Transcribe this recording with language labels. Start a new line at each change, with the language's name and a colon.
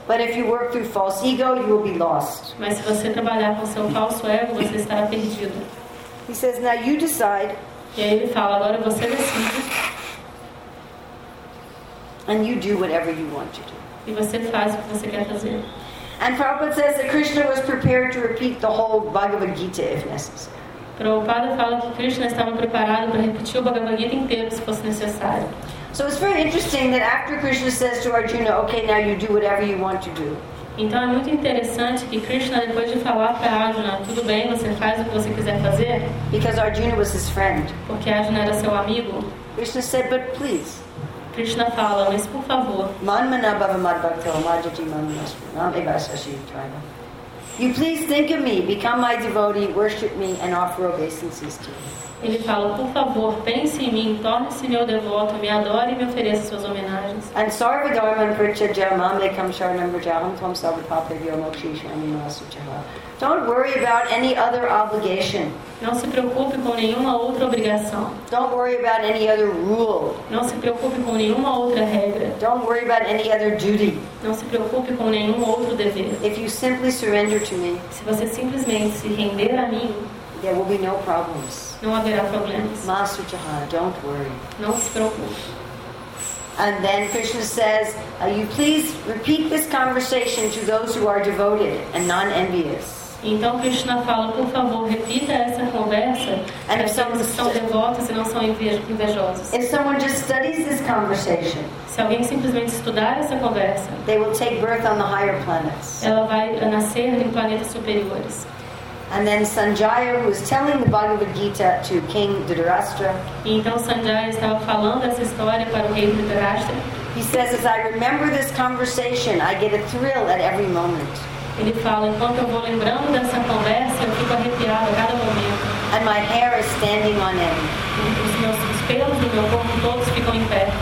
English: But if you work through false ego, you will be lost.
Portuguese: Mas se você trabalhar com seu falso ego, você estará perdido.
English: He says, now you decide.
Portuguese: E aí ele fala, agora você decide.
English: And you do whatever you want to do.
Portuguese: E você faz o que você quer fazer.
English: And Prabhupada says that Krishna was prepared to repeat the whole Bhagavad Gita if necessary.
Portuguese: Prabhupada fala que Krishna estava preparado para repetir o Bhagavad Gita inteiro se fosse necessário.
English: So it's very interesting that after Krishna says to Arjuna, okay, now you do whatever you want to do.
Portuguese: Então é muito interessante que Krishna, depois de falar para Arjuna, tudo bem, você faz o que você quiser fazer.
English: Because Arjuna was his friend.
Portuguese: Porque Arjuna era seu amigo.
English: Krishna said, but please.
Portuguese: Krishna fala, mas por favor.
Sanskrit: Manmana bhavamad bhaktam majati manmasmanam evasashitvaina.
English: You please think of me, become my devotee, worship me, and offer obeisances to me.
Portuguese: Ele fala, por favor, pense em mim, torne-se meu devoto, me adore e me ofereça suas homenagens.
Sanskrit: And sarva dharma pritcha jamam lekam sharanam vrajaham tvam sarvapapa vyomokshisha aminasu chaha.
English: Don't worry about any other obligation.
Portuguese: Não se preocupe com nenhuma outra obrigação.
English: Don't worry about any other rule.
Portuguese: Não se preocupe com nenhuma outra regra.
English: Don't worry about any other duty.
Portuguese: Não se preocupe com nenhum outro dever.
English: If you simply surrender to me,
Portuguese: se você simplesmente se render a mim,
English: there will be no problems.
Portuguese: Não haverá problemas.
English: Master Jaha, don't worry.
Portuguese: Não se preocupe.
English: And then Krishna says, you please repeat this conversation to those who are devoted and non-envious.
Portuguese: Então Krishna fala, por favor, repita essa conversa para aqueles que são devotos e não são invejosos.
English: If someone just studies this conversation,
Portuguese: se alguém simplesmente estudar essa conversa,
English: they will take birth on the higher planets.
Portuguese: Ela vai nascer em planetas superiores.
English: And then Sanjaya was telling the Bhagavad Gita to King Dhritarashtra.
Portuguese: Então Sanjaya estava falando essa história para o rei Dhritarashtra.
English: He says, as I remember this conversation, I get a thrill at every moment.
Portuguese: Ele fala, enquanto eu vou lembrando dessa conversa, eu fico arrepiado a cada momento.
English: And my hair is standing on end.
Portuguese: Os pelos do meu corpo todos ficam em pé.